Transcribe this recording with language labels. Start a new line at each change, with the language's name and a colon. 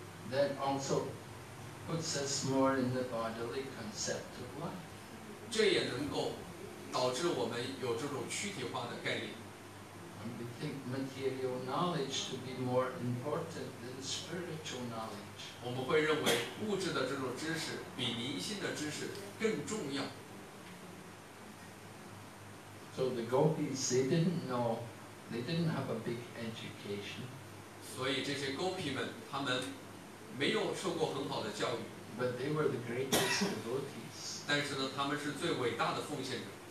English: That also puts us more in the bodily concept of life.
Chinese: 这也能够 导致我们有这种躯体化的概念。
English: And we think material knowledge to be more important than spiritual knowledge.
Chinese: 我们会认为物质的这种知识比灵性的知识更重要。
English: So the gopis, they didn't know, they didn't have a big education.
Chinese: 所以这些gopi们，他们没有受过很好的教育。
English: But they were the greatest devotees.
Chinese: 但是呢，他们是最伟大的奉献者。